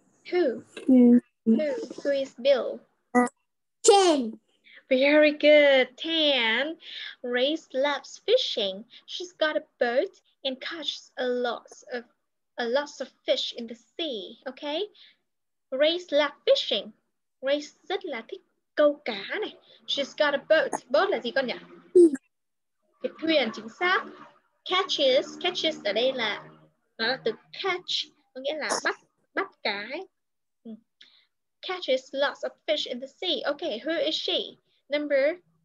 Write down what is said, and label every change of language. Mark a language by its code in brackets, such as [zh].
[en] Who is Bill? 10. Very good. 10. Race loves fishing. She's got a boat and catches a lot of fish in the sea. Okay. Race loves fishing. [vi] Race rất là thích câu cá này. [en] She's got a boat. [vi] Boat là gì con nhỉ? Cái thuyền, chính xác. Catches ở đây là nó là từ catch, có nghĩa là bắt cá ấy. [en] Catches lots of fish in the sea. Okay, who is she? Number?